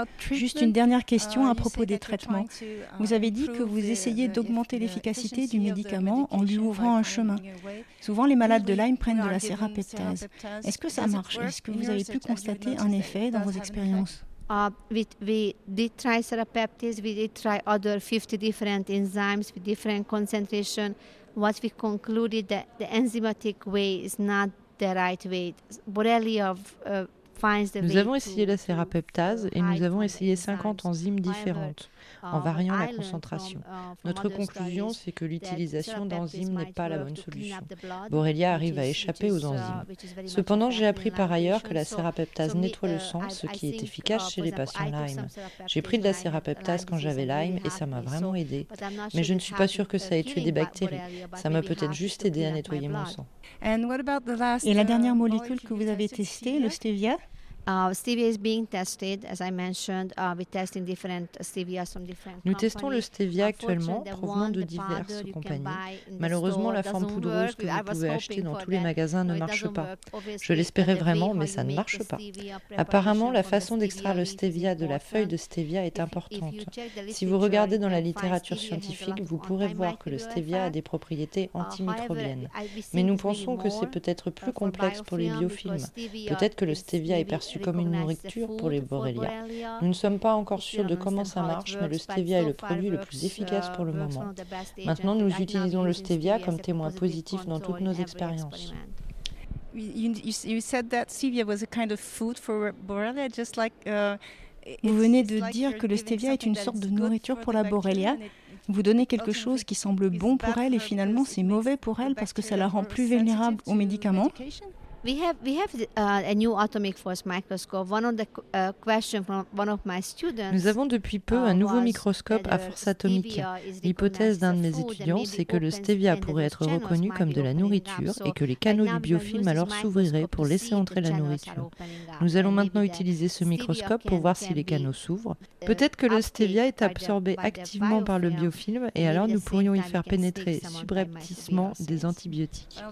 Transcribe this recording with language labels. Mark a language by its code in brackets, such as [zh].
[fr] Juste une dernière question à propos des traitements. Vous avez dit que vous essayez d'augmenter l'efficacité du médicament en lui ouvrant un chemin. Souvent, les malades de Lyme prennent de la sérapeptase. Est-ce que ça marche? Est-ce que vous avez pu constater un effet dans vos expériences? [en] We did try sérapeptase. We did try other 50 different enzymes with different concentration. What we concluded that the enzymatic way is not the right way. Borrelia [fr] Nous avons essayé la sérapeptase et nous avons essayé 50 enzymes différentes en variant la concentration. Notre conclusion, c'est que l'utilisation d'enzymes n'est pas la bonne solution. Borrelia arrive à échapper aux enzymes. Cependant, j'ai appris par ailleurs que la sérapeptase nettoie le sang, ce qui est efficace chez les patients Lyme. J'ai pris de la sérapeptase quand j'avais Lyme et ça m'a vraiment aidé. Mais je ne suis pas sûre que ça ait tué des bactéries. Ça m'a peut-être juste aidé à nettoyer mon sang. Et la dernière molécule que vous avez testée, le stevia? [en] Stevia is being tested, as I mentioned. We test in different stevia from different companies. [fr] Nous testons le stevia actuellement provenant de diverses compagnies. Malheureusement, la forme poudreuse que vous pouvez acheter dans tous les magasins ne marche pas. Je l'espérais vraiment, mais ça ne marche pas. Apparemment, la façon d'extraire le stevia de la feuille de stevia est importante. Si vous regardez dans la littérature scientifique, vous pourrez voir que le stevia a des propriétés antimicrobiennes. Mais nous pensons que c'est peut-être plus complexe pour les biofilms. Peut-être que le stevia est perçu comme une nourriture pour les Borrelia. Nous ne sommes pas encore sûrs de comment ça marche, mais le stevia est le produit le plus efficace pour le moment. Maintenant, nous utilisons le stevia comme témoin positif dans toutes nos expériences. [en] You said that stevia was a kind of food for Borrelia, just like. [fr] Vous venez de dire que le stevia est une sorte de nourriture pour la Borrelia. Vous donnez quelque chose qui semble bon pour elle et finalement c'est mauvais pour elle parce que ça la rend plus vulnérable aux médicaments. [en] We have a new atomic force microscope. One of the question from one of my students. [fr] Nous avons depuis peu un nouveau microscope à force atomique. L'hypothèse d'un de mes étudiants, c'est que le stevia pourrait être reconnu comme de la nourriture et que les canaux du biofilm alors s'ouvriraient pour laisser entrer la nourriture. Nous allons maintenant utiliser ce microscope pour voir si les canaux s'ouvrent. Peut-être que le stevia est absorbé activement par le biofilm et alors nous pourrions y faire pénétrer subrepticement des antibiotiques.